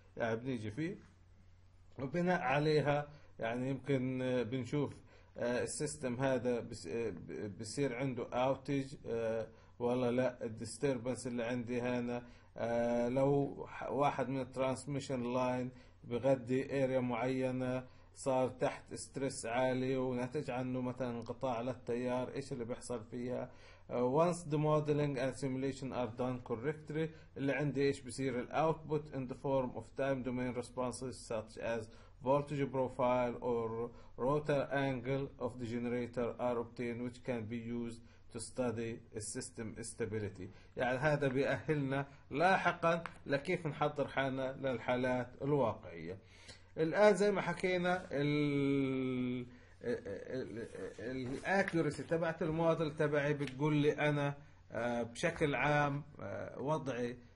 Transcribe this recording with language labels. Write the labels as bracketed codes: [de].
[ar] يعني بنيجي فيه وبناء عليها يعني يمكن بنشوف السيستم هذا بصير عنده outage ولا لا، الديستربنس اللي عندي هنا لو واحد من الترانسميشن لاين بغدي اريا معينة صار تحت استرس عالي ونتج عنه مثلا انقطاع للتيار ايش اللي بيحصل فيها. [en] Once the modeling and simulation are done correctly [ar] اللي عندي ايش بصير الاوتبوت [en] in the form of time domain responses such as voltage profile or rotor angle of the generator are obtained which can be used to study system stability. [ar] يعني هذا بيأهلنا لاحقا لكيف نحضر حالنا للحالات الواقعية. الآن زي ما حكينا الاكيوريسي تبعت الموديل تبعي بتقول لي انا بشكل عام وضعي